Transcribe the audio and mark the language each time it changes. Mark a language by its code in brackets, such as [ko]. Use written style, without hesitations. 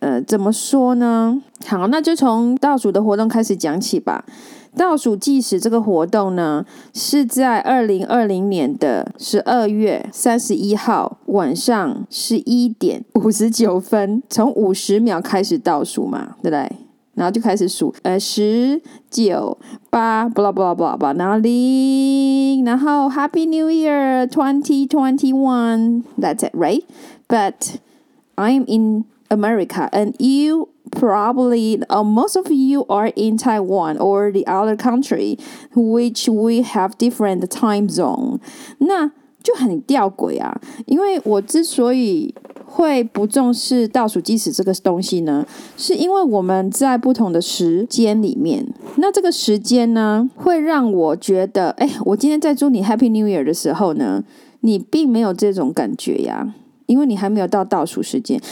[zh] 怎么说呢？好，那就从倒数的活动开始讲起吧。倒数计时这个活动呢，是在2020年的12月31号晚上11点59分，从50秒开始倒数嘛，对不对？然后就开始数，19、8 blah blah blah blah， 然后零，然后 [en] Happy New Year 2021， that's it, right? But I'm in America and you probably, most of you are in Taiwan or the other country which we have different time zone， [zh] 那就很吊诡啊。因为我之所以会不重视倒数计时这个东西呢，是因为我们在不同的时间里面，那这个时间呢会让我觉得，我今天在祝你 [en] Happy New Year [zh] 的时候呢，你并没有这种感觉呀，因为你还没有到倒数时间。